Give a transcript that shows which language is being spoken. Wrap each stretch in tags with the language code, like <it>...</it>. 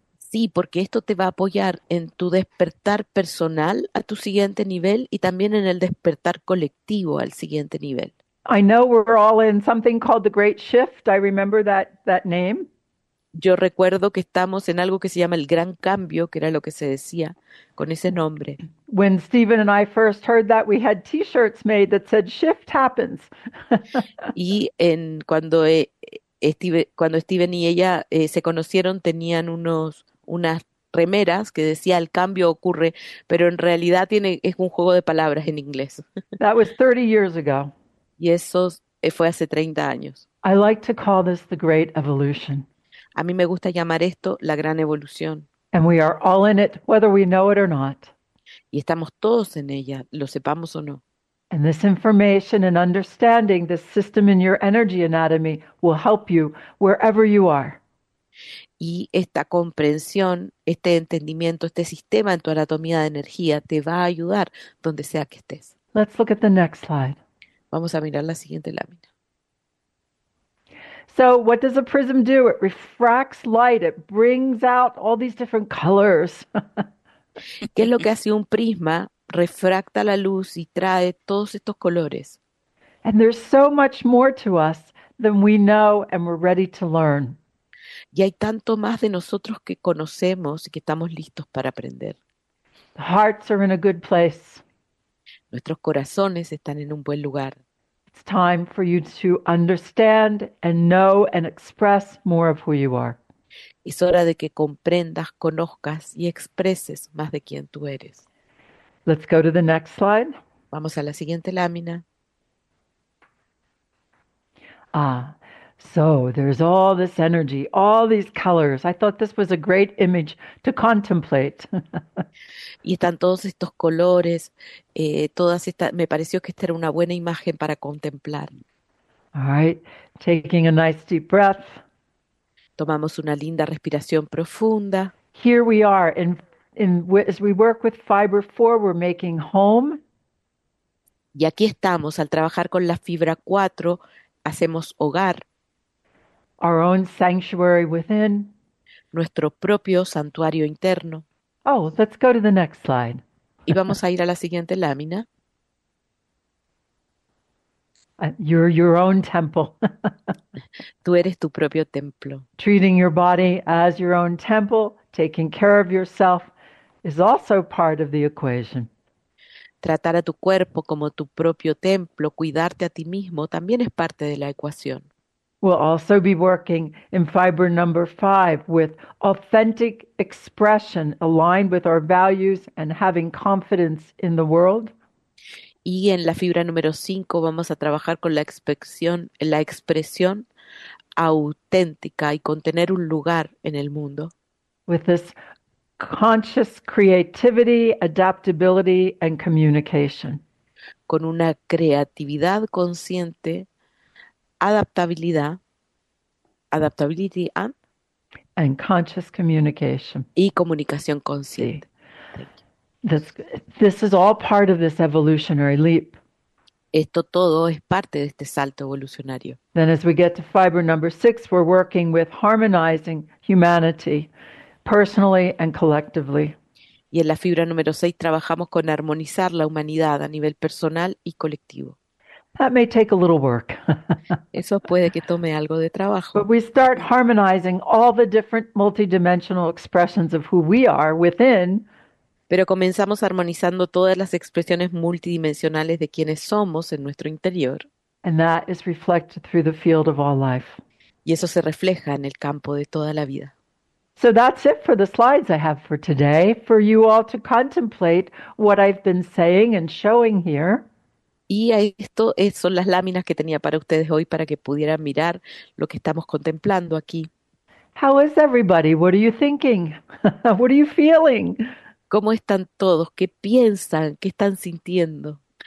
<es>Sí, porque esto te va a apoyar en tu despertar personal a tu siguiente nivel y también en el despertar colectivo al siguiente nivel.</es> <en>I know we're all in something called the Great Shift. I remember that name.</en> <es>Yo recuerdo que estamos en algo que se llama el Gran Cambio, que era lo que se decía con ese nombre.</es> <en>When Stephen and I first heard that, we had t-shirts made that said "Shift happens."</en> <es>Y en cuando cuando Steven y ella se conocieron, tenían unas remeras que decía el cambio ocurre, pero en realidad es un juego de palabras en inglés.</es> <en>That was 30 years ago.</en> <es>Y eso fue hace 30 años.</es> <en>I like to call this the Great Evolution.</en> <es>A mí me gusta llamar esto la gran evolución.</es> <en>And we are all in it, whether we know it or not.</en> <es>Y estamos todos en ella, lo sepamos o no.</es> <en>And this information and understanding this system in your energy anatomy will help you wherever you are.</en> <es>Y esta comprensión, este entendimiento, este sistema en tu anatomía de energía te va a ayudar donde sea que estés.</es> <en>Let's look at the next slide.</en> <es>Vamos a mirar la siguiente lámina.</es> <en>So, what does a prism do? It refracts light, it brings out all these different colors.</en> <es>¿Qué es lo que hace un prisma? Refracta la luz y trae todos estos colores.</es> <en>And there's so much more to us than we know, and we're ready to learn.</en> <es>Y hay tanto más de nosotros que conocemos y que estamos listos para aprender.</es> <en>The hearts are in a good place.</en> <es>Nuestros corazones están en un buen lugar.</es> <en>It's time for you to understand and know and express more of who you are.</en> <es>Es hora de que comprendas, conozcas y expreses más de quién tú eres.</es> <en>Let's go to the next slide.</en> <es>Vamos a la siguiente lámina.</es> <en>Ah, so there's all this energy, all these colors. I thought this was a great image to contemplate.</en> <es>Y están todos estos colores, me pareció que esta era una buena imagen para contemplar.</es> <en>All right, taking a nice deep breath.</en> <es>Tomamos una linda respiración profunda.</es> <en>Here we are as we work with fiber four, we're making home.</en> <es>Y aquí estamos, al trabajar con la fibra 4, hacemos hogar.</es> <en>Our own sanctuary within.</en> <es>Nuestro propio santuario interno.</es> <en>Oh, let's go to the next slide.</en> <es>Y vamos a ir a la siguiente lámina.</es> <en>Your own temple.</en> <es>Tú eres tu propio templo.</es> <en>Treating your body as your own temple, taking care of yourself is also part of the equation.</en> <es>Tratar a tu cuerpo como tu propio templo, cuidarte a ti mismo, también es parte de la ecuación.</es> <en>We'll also be working in fiber number five with authentic expression aligned with our values and having confidence in the world.</en> <es>Y en la fibra número 5 vamos a trabajar con la expresión auténtica y con tener un lugar en el mundo.</es> <en>With this conscious creativity, adaptability, and communication.</en> <es>Con una creatividad consciente, adaptabilidad, adaptability</es> <en>And conscious communication.</en> <es>y comunicación</es> <en>See,</en> <es>consciente.</es> <en>this is all part of this evolutionary leap.</en> <es>Esto todo es parte de este salto evolucionario.</es> <en>Then, as we get to fiber number six, we're working with harmonizing humanity, personally and collectively.</en> <es>Y en la fibra número 6 trabajamos con armonizar la humanidad a nivel personal y colectivo.</es> <en>That may take a little work.</en> <es>Eso puede que tome algo de trabajo.</es> <en>But we start harmonizing all the different multidimensional expressions of who we are within.</en> <es>pero comenzamos armonizando todas las expresiones multidimensionales de quienes somos en nuestro interior.</es> <en>And that is reflected through the field of all life.</en> <es>Y eso se refleja en el campo de toda la vida.</es> <en>So that's it for the slides I have for today, for you all to contemplate what I've been saying and showing here.</en> <es>Y esto son las láminas que tenía para ustedes hoy para que pudieran mirar lo que estamos contemplando aquí.</es> <en>How is everybody? What are you thinking? What are you feeling?</en> <es>¿Cómo están todos? ¿Qué piensan? ¿Qué están sintiendo?</es>